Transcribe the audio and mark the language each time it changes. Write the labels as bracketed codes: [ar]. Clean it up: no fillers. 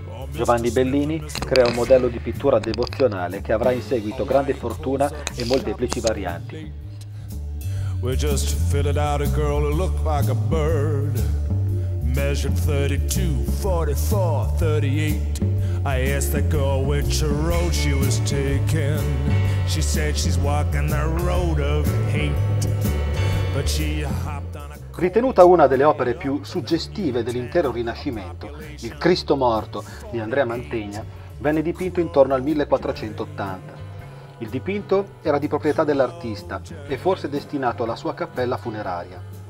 [it] Giovanni Bellini crea un modello di pittura devozionale che avrà in seguito grande fortuna e molteplici varianti. [en] I asked the girl which road she was taking. She said she's walking the road of hate. But she hopped on a... [it] Ritenuta una delle opere più suggestive dell'intero Rinascimento, Il Cristo morto di Andrea Mantegna venne dipinto intorno al 1480. Il dipinto era di proprietà dell'artista e forse destinato alla sua cappella funeraria.